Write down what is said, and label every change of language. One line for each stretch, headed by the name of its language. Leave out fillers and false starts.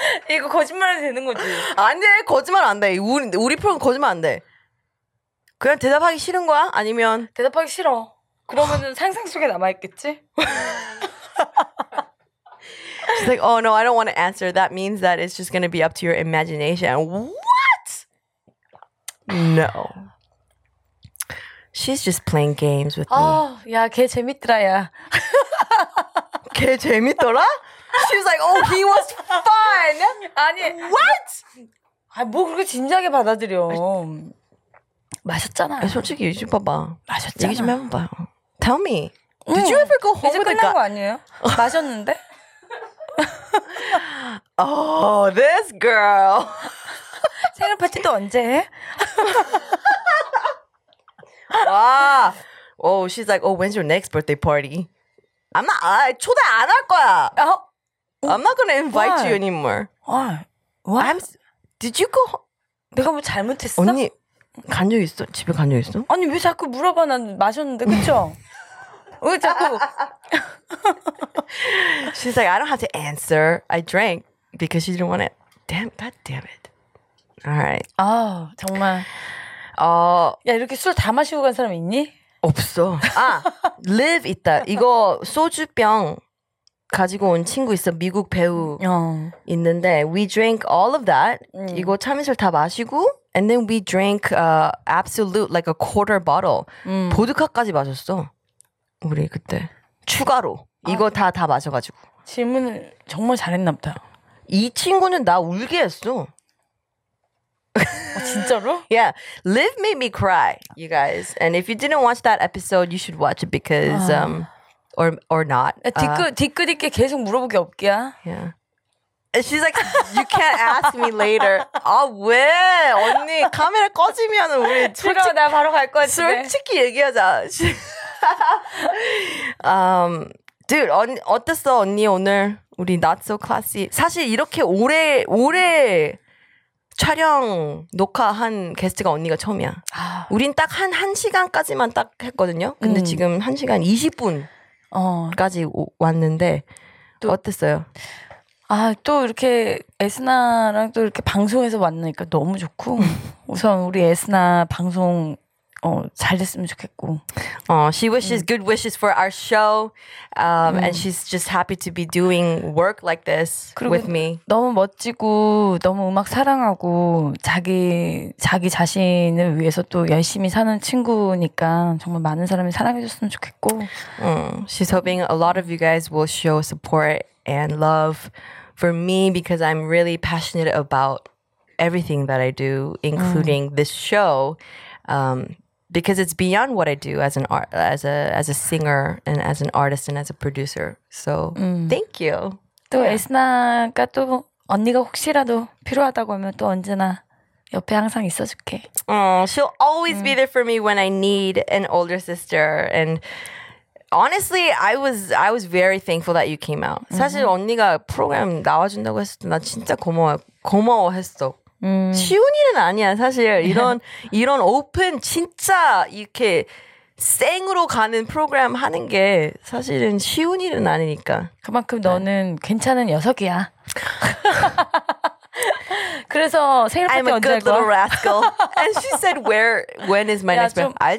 Korean: 이거 거짓말 해도 되는 거지? 안 돼, 거짓말 안 돼. 우리 프로그램 거짓말 안 돼. 그냥 대답하기 싫은 거야? 아니면 대답하기 싫어. 그러면은 상상 속에 남아 있겠지?
English: She's like, "Oh no, I don't want to answer. That means that it's just going to be up to your imagination." What? No. She's just playing games with me.
Korean: Oh, 야, 걔 재밌더라, 야. 걔 재밌더라?
English: She was like, "Oh, he was fun."
Korean: 아니,
English: what?
Korean: 아, 뭐 그렇게 진지하게 받아들여. 마셨잖아. 솔직히 얘기 좀 봐봐. 마셨잖아. 얘기 좀 해봐.
English: Tell me. Did you ever go home with a guy?
Korean: 이제 끝난 거 아니에요? 마셨는데?
English: Oh, this girl.
Korean: 생일 파티도 언제 해? 와.
English: Oh, she's like, oh, when's your next birthday party? I'm not,
Korean: 아, 초대 안 할 거야.
English: I'm not gonna invite Why? You anymore. Why? Did you go home?
Korean: 내가 뭐 잘못했어? 언니. 간 적 있어? 집에 간 적 있어? 아니 왜 자꾸 물어봐? 난 마셨는데 그쵸? 왜 자꾸
English: She's like I don't have to answer I drank because she didn't want it Damn, God damn it Alright
Korean: 아 정말 야 이렇게 술 다 마시고 간 사람 있니? 없어 아 Liv 있다 이거 소주병 가지고 온 친구 있어 미국 배우 있는데
English: We drank all of that
Korean: 이거 참이슬 다 마시고
English: And then we drank absolute like a quarter bottle.
Korean: 보드카까지 마셨어. 우리 그때 추가로 이거 아, 다 마셔가지고. 질문을 정말 잘했나 보다. 이 친구는 나 울게 했어. 아, 진짜로?
English: yeah, Liv made me cry, you guys. And if you didn't watch that episode, you should watch it because 아. Or not.
Korean: 뒤끝 있게 계속 물어볼 게 없기야.
English: Yeah. And she's like, you can't ask me later.
Korean: 아, 왜? 언니, 카메라 꺼지면 우리 솔직히 나 바로 갈 거지. 솔직히 얘기하자. dude, 언니, 어땠어, 언니, 오늘? 우리
English: not so classy.
Korean: 사실 이렇게 오래 촬영, 녹화한 게스트가 언니가 처음이야. 우린 딱 한 시간까지만 딱 했거든요. 근데 지금 한 시간 20분까지 왔는데, 또, 어땠어요? 아, 또 이렇게 에스나랑 또 이렇게 방송에서 만나니까 너무 좋고 우선 우리 에스나 방송 잘 됐으면 좋겠고
English: She wishes good wishes for our show and she's just happy to be doing work like this with me
Korean: 너무 멋지고 너무 음악 사랑하고 자기 자신을 위해서 또 열심히 사는 친구니까 정말 많은 사람이 사랑해줬으면 좋겠고
English: She's hoping a lot of you guys will show support and love for me because I'm really passionate about everything that I do including this show because it's beyond what I do as an art as a singer and as an artist and as a producer so thank you
Korean: 또 에스나가 또 언니가 혹시라도 필요하다고 하면 또 언제나 옆에 항상 있어 줄게
English: she'll always be there for me when I need an older sister and Honestly, I was very thankful that you came out.
Korean: 사실 언니가 프로그램 나와준다고 했을 때 나 진짜 고마워했어. 쉬운 일은 아니야. 사실 이런 오픈 진짜 이렇게 생으로 가는 프로그램 하는 게 사실은 쉬운 일은 아니니까. 그만큼 너는 괜찮은 녀석이야. 그래서 생일 파티 언제 할 거야?
English: I'm a good little rascal. And she said, when is my next birthday?